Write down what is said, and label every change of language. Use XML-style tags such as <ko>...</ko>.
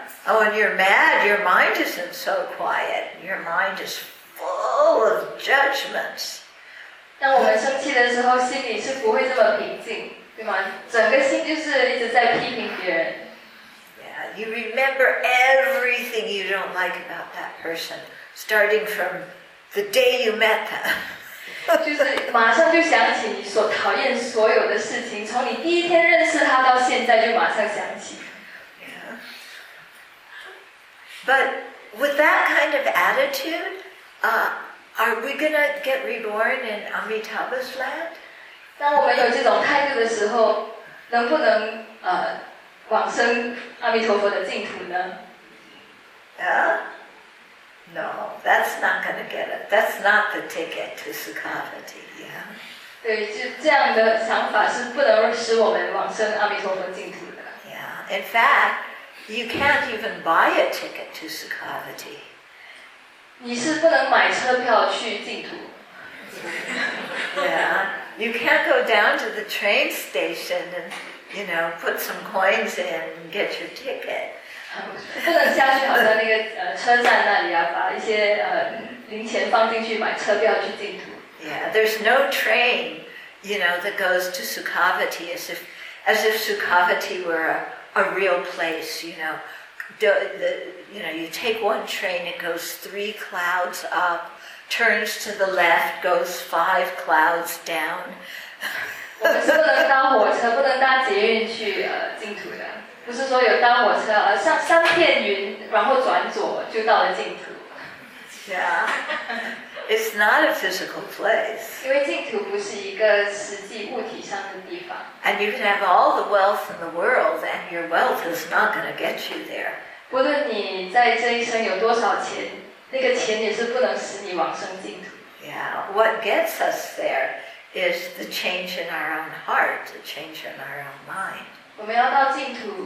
<en>Oh, and you're mad, your mind isn't so quiet. Your mind is full of judgments.</en> <zh>当我们生气的时候，心里是不会这么平静，对吗？整个心就是一直在批评别人。</zh> <en>Yeah, you remember everything you don't like about that person, starting from the day you met them.</en> <zh>就是马上就想起你所讨厌所有的事情，从你第一天认识他到现在就马上想起。</zh> <en>But with that kind of attitude, are we going to get reborn in Amitabha's land?</en> <zh>当我们有这种态度的时候，能不能往生阿弥陀佛的净土呢？</zh> <en>No, that's not going to get it. That's not the ticket to Sukhavati. Yeah.</en> <zh>对，就这样的想法是不能使我们往生阿弥陀佛净土的。</zh> <en>Yeah, in fact,You can't even buy a ticket to Sukhavati.</en> <zh>你是不能买车票去净土。</zh> <en>Yeah, you can't go down to the train station and, you know, put some coins in and get your ticket.</en> <zh>不能下去，好像那个车站那里啊，把一些零钱放进去买车票去净土。</zh> <en>Yeah, there's no train, you know, that goes to Sukhavati as if. as if Sukhavati were a real place, you know. You know, you take one train, it goes three clouds up, turns to the left, goes five clouds down.</en> <zh>我们是不能搭火车，不能搭捷运去净土的，不是说有搭火车，而上片云，然后转左就到了净土。</zh> <en>Yeah, it's not a physical place.</en> <zh>因为净土不是一个实际物体上的地方。</zh> <en>And you can have all the wealth in the world, and your wealth is not going to get you there. 不论你在这一生有多少钱，那个钱也是不能使你往生净土。 Yeah, what gets us there is the change in our own heart, the change in our own mind.</en>